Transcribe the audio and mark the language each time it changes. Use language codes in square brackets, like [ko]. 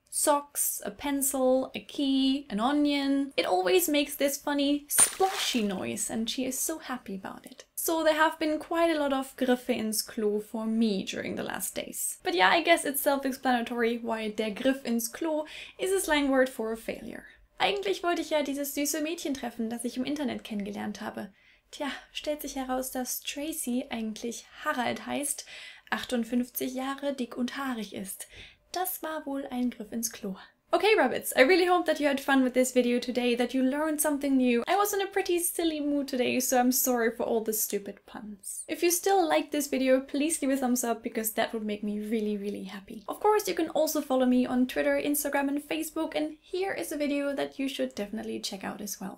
[en] Socks, a pencil, a key, an onion. It always makes this funny splashy noise and she is so happy about it. So there have been quite a lot of [de] Griffe ins Klo [en] for me during the last days. But yeah, I guess it's self-explanatory why [de] der Griff ins Klo [en] is a slang word for a failure. [de] Eigentlich wollte ich ja dieses süße Mädchen treffen, das ich im Internet kennengelernt habe. Tja, stellt sich heraus, dass Tracy eigentlich Harald heißt, 58 Jahre dick und haarig ist. Das war wohl ein Griff ins Klo. [en] Okay, rabbits, I really hope that you had fun with this video today, that you learned something new. I was in a pretty silly mood today, so I'm sorry for all the stupid puns. If you still like this video, please leave a thumbs up, because that would make me really, really happy. Of course, you can also follow me on Twitter, Instagram, and Facebook, and here is a video that you should definitely check out as well.